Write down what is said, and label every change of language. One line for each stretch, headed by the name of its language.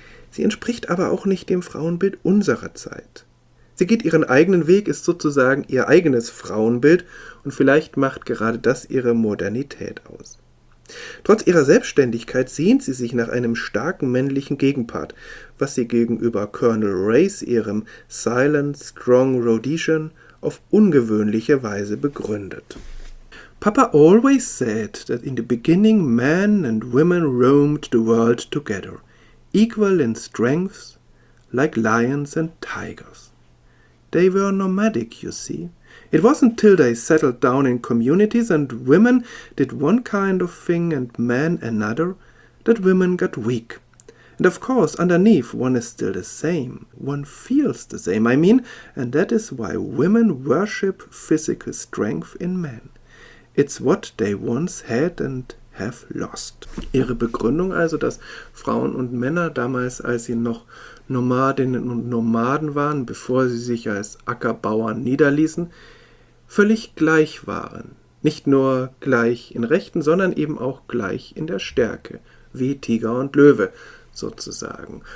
German: Sie entspricht aber auch nicht dem Frauenbild unserer Zeit. Sie geht ihren eigenen Weg, ist sozusagen ihr eigenes Frauenbild und vielleicht macht gerade das ihre Modernität aus. Trotz ihrer Selbstständigkeit sehnt sie sich nach einem starken männlichen Gegenpart, was sie gegenüber Colonel Race, ihrem
English: Silent Strong Rhodesian,
German: auf ungewöhnliche Weise begründet.
English: Papa always said that in the beginning men and women roamed the world together, equal in strength, like lions and tigers. They were nomadic, you see. It wasn't till they settled down in communities and women did one kind of thing and men another that women got weak. And of course, underneath, one is still the same. One feels the same, I mean, and that is why women worship physical strength in men. It's what they once had and have lost.
German: Ihre Begründung also, dass Frauen und Männer damals, als sie noch Nomadinnen und Nomaden waren, bevor sie sich als Ackerbauern niederließen, völlig gleich waren. Nicht nur gleich in Rechten, sondern eben auch gleich in der Stärke, wie Tiger und Löwe sozusagen.